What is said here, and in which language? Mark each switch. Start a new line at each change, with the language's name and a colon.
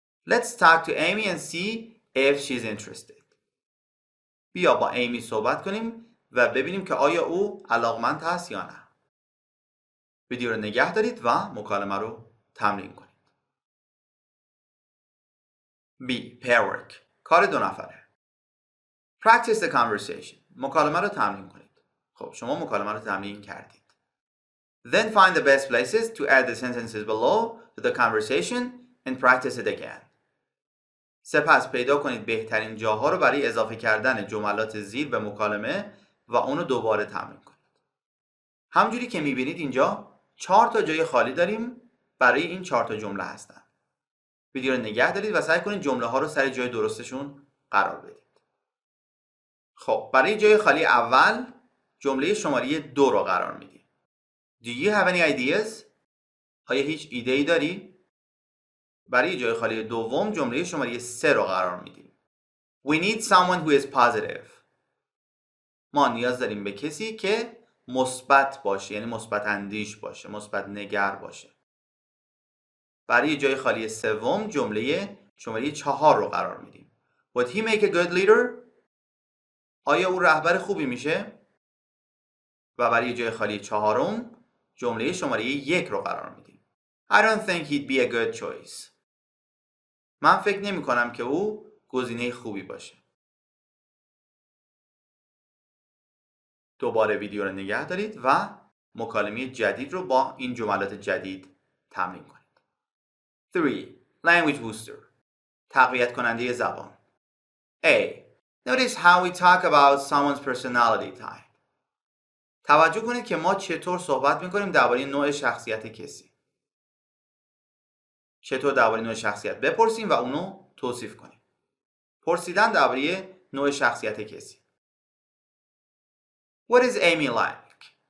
English: Let's talk to Amy and see if she's interested.
Persian: بیا با ایمی صحبت کنیم و ببینیم که آیا او علاقمند هست یا نه. ویدیو رو نگه دارید و مکالمه رو تمرین کنید.
English: B. Pair work.
Persian: کار دو نفره.
English: Practice the conversation.
Persian: مکالمه رو تمرین کنید. خب شما مکالمه رو تمرین کردید.
English: Then find the best places to add the sentences below to the conversation and practice it again.
Persian: سپس پیدا کنید بهترین جاها رو برای اضافه کردن جملات زیر به مکالمه و اونو دوباره تمرین کنید. همجوری که میبینید اینجا 4 تا جای خالی داریم برای این 4 تا جمله هستن. ویدیو رو نگه دارید و سعی کنید جمله ها رو سر جای درستشون قرار بدید. خب برای جای خالی اول جمله شماره 2 رو قرار میدید.
English: Do you have any ideas?
Persian: آیا هیچ ایده ای داری؟ برای جای خالی دوم جمله شماره 3 رو قرار میدیم.
English: We need someone who is positive.
Persian: ما نیاز داریم به کسی که مثبت باشه، یعنی مثبت اندیش باشه، مثبت نگر باشه. برای جای خالی سوم جمله شماره 4 رو قرار میدیم.
English: Would he make a good leader?
Persian: آیا او رهبر خوبی میشه؟ و برای جای خالی چهارم جمله شماره 1 رو قرار میدیم.
English: I don't think he'd be a good choice.
Persian: من فکر نمی کنم که او گزینه خوبی باشه. دوباره ویدیو رو نگه دارید و مکالمه جدید رو با این جملات جدید تمرین کنید.
English: 3. Language booster.
Persian: تقویت کننده زبان.
English: A. Notice how we talk about someone's personality type.
Persian: توجه کنید که ما چطور صحبت میکنیم درباره نوع شخصیت کسی. چطور درباره نوع شخصیت بپرسیم و اونو توصیف کنیم. پرسیدن درباره نوع شخصیت کسی.
English: What is Amy like?